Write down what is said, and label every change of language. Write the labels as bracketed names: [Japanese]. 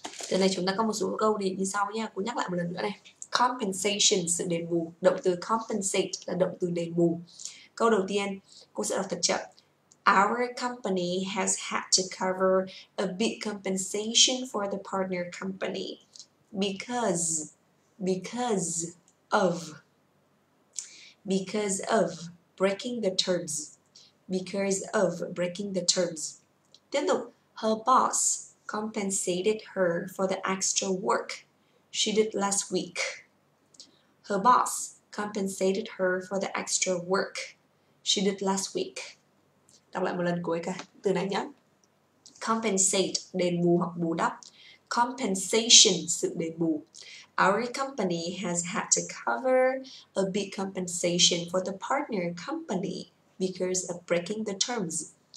[Vietnamese] Đây này, chúng ta có một số câu thì như sau nha. Cô nhắc lại một lần nữa này. Compensation, sự đền bù. Động từ compensate là động từ đền bù. Câu đầu tiên, cô sẽ đọc thật chậm. [English] Our company has had to cover a big compensation for the partner company because of breaking the terms. Because of breaking the terms. [Vietnamese] Tiếp tục, [English] her boss compensated her for the extra work she did last week. Her boss compensated her for the extra work she did last week. [Vietnamese] Đọc lại một lần cuối cả, từ nãy nhé. Compensate, đền bù hoặc bù đắp. Compensation, sự đền bù. [English] Our company has had to cover a big compensation for the partner company because of breaking the terms.